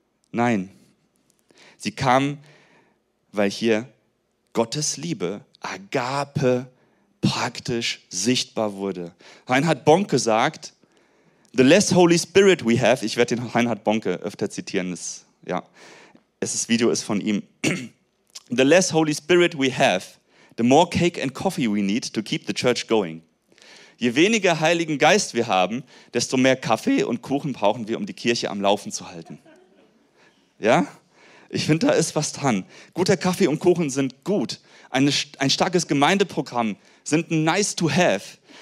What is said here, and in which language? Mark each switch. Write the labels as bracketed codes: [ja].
[de] Nein, sie kamen, weil hier Gottes Liebe, Agape praktisch sichtbar wurde. Reinhard Bonke sagt, [en] the less Holy Spirit we have, [de] ich werde den Reinhard Bonke öfter zitieren, das Video ist von ihm. [en] The less Holy Spirit we have, the more cake and coffee we need to keep the church going. [de] Je weniger Heiligen Geist wir haben, desto mehr Kaffee und Kuchen brauchen wir, um die Kirche am Laufen zu halten. Ja? Ich finde, da ist was dran. Guter Kaffee und Kuchen sind gut. Ein starkes Gemeindeprogramm sind nice to have.